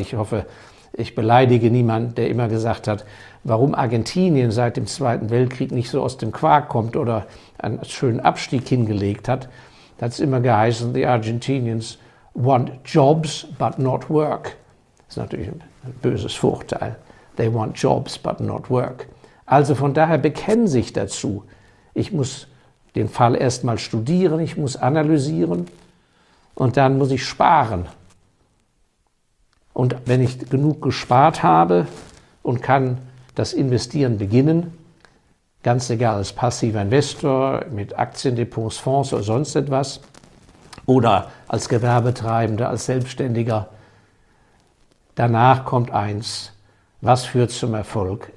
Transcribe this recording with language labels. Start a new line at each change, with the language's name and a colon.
German: Ich hoffe, ich beleidige niemanden, der immer gesagt hat, warum Argentinien seit dem Zweiten Weltkrieg nicht so aus dem Quark kommt oder einen schönen Abstieg hingelegt hat. Da hat es immer geheißen, die
English: Argentinians want jobs, but not work.
German: Das ist natürlich ein böses Vorurteil.
English: They want jobs, but not work.
German: Also von daher bekennen sich dazu. Ich muss den Fall erstmal studieren, ich muss analysieren und dann muss ich sparen. Und wenn ich genug gespart habe und kann das Investieren beginnen, ganz egal, als passiver Investor mit Aktiendepots, Fonds oder sonst etwas, oder als Gewerbetreibender, als Selbstständiger, danach kommt eins, was führt zum Erfolg?